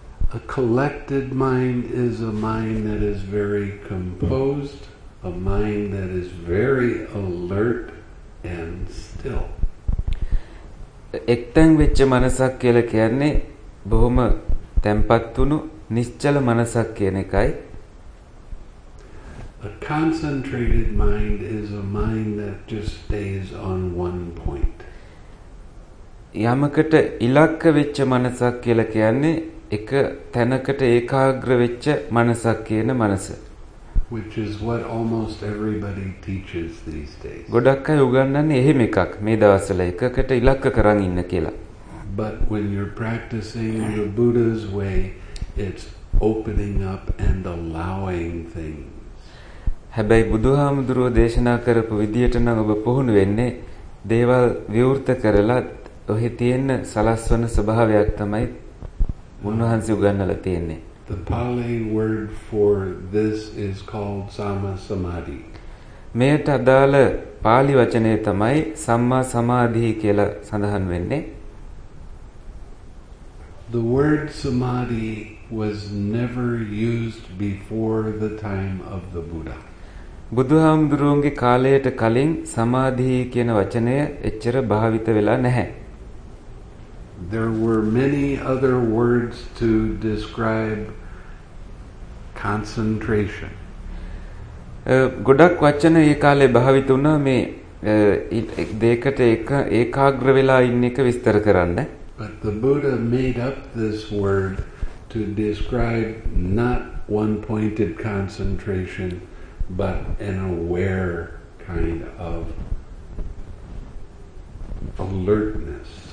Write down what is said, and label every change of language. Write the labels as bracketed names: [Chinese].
[English] A collected mind is a mind that is very composed, a mind that is very alert and still. [Sinhala] එක්තැන් වෙච්ච මනසක් කියලා කියන්නේ බොහොම තැම්පත් වුණු නිශ්චල මනසක් කියන එකයි. [English] A concentrated mind is a mind that just stays on one point. [Sinhala] යමකට ඉලක්ක වෙච්ච මනසක් කියලා කියන්නේ එක තැනකට ඒකාග්‍ර වෙච්ච මනසක් කියන මනස. [English] Which is what almost everybody teaches these days. [Sinhala] ගොඩක් අය උගන්වන්නේ එහෙම එකක් මේ දවස්වල එකකට ඉලක්ක කරන් ඉන්න කියලා. [English] But when you're practicing the Buddha's way, it's opening up and allowing things. [Sinhala] හැබැයි බුදුහාමුදුරුවෝ දේශනා කරපු විදියට නම් ඔබ පුහුණු වෙන්නේ දේවල් විවෘත කරලා ඔහි තියෙන සලස්වන ස්වභාවයක් තමයි මුන්නහන්සි උගන්වලා තියෙන්නේ. [English] The Pali word for this is called Samma Samadhi. [Sinhala] මේට අදාළ පාලි වචනේ තමයි සම්මා සමාධි කියලා සඳහන් වෙන්නේ. [English] The word Samadhi was never used before the time of the Buddha. [Sinhala] බුදුහාමුදුරුවන්ගේ කාලයට කලින් සමාධි කියන වචනය එච්චර භාවිත වෙලා නැහැ. [English] There were many other words to describe concentration. [Sinhala] ගොඩක් වචන ඒ කාලේ භාවිත වුණා මේ දෙයකට එක ඒකාග්‍ර වෙලා ඉන්න එක විස්තර කරන්න. [English] But the Buddha made up this word to describe not one-pointed concentration, but an aware kind of alertness.